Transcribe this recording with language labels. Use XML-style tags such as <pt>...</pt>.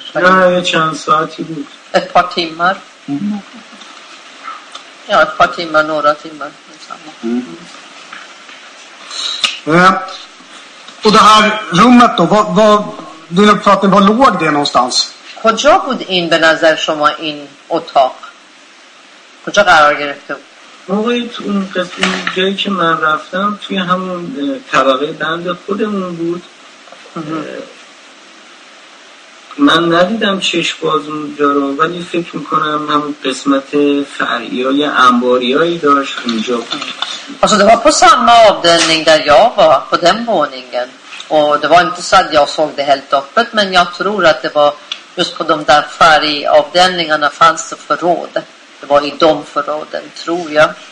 <sv>Nej, det känns så att det gick. Ett par timmar? Mm. Ja, ett par timmar, några timmar. Mm. Och det här rummet då, vad din uppfattning, var låg det någonstans?</sv> <fa>کجا بود این به نظر شما این اتاق کجا قرار گرفته بود؟ موقعی تو اون جایی که من رفتم توی همون طبقه بند خودمون بود. من ندیدم چش بازون دارم، ولی فکر میکنم همون قسمت فرعی های انباری هایی داشت اونجا بود.</fa> <sv>Alltså det var på samma avdelning där jag var, på den våningen. Och det var inte så att jag såg det helt öppet, men jag tror att det var just på de där färgavdelningarna fanns det förråd. Det var i de förråden, tror jag.</sv>